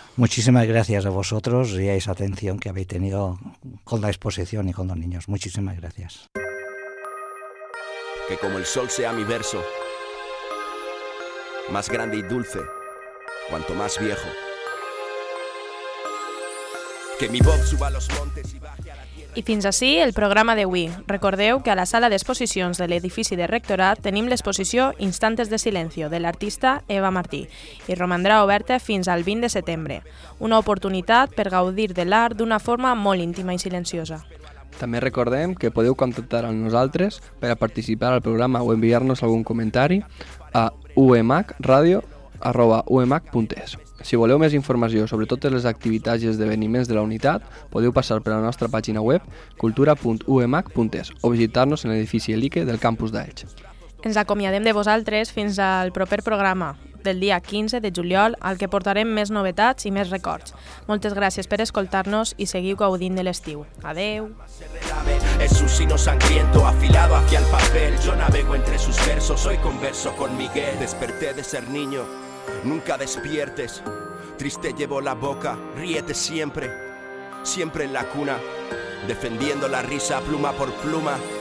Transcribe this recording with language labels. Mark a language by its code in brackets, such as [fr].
[es] Muchísimas gracias a vosotros y a esa atención que habéis tenido con la exposición y con los niños. Muchísimas gracias. Que como el sol sea mi verso, más grande y dulce, cuanto más viejo. Que mi voz suba a los montes y baje a la tierra. [ca] I fins ací el programa d'avui. Recordeu que a la sala d'exposicions de l'edifici de rectorat tenim l'exposició Instantes de silencio de l'artista Eva Martí i romandrà oberta fins al 20 de setembre. Una oportunitat per gaudir de l'art d'una forma molt íntima i silenciosa. També recordem que podeu contactar amb nosaltres per a participar al programa o enviar-nos algun comentari a umacradio@umac.es. Si voleu més informació sobre totes les activitats i esdeveniments de la unitat, podeu passar per la nostra pàgina web cultura.umac.es o visitar-nos en l'edifici Elique del campus d'Elx. Ens acomiadem de vosaltres fins al proper programa del dia 15 de juliol, al que portarem més novetats i més records. Moltes gràcies per escoltar-nos i seguiu gaudint de l'estiu. Adeu! [es] Es un sino sangriento afilado hacia el papel. Yo navego entre sus versos, soy converso con Miguel. Desperté de ser niño. Nunca despiertes, triste llevo la boca, ríete siempre, siempre en la cuna, defendiendo la risa pluma por pluma.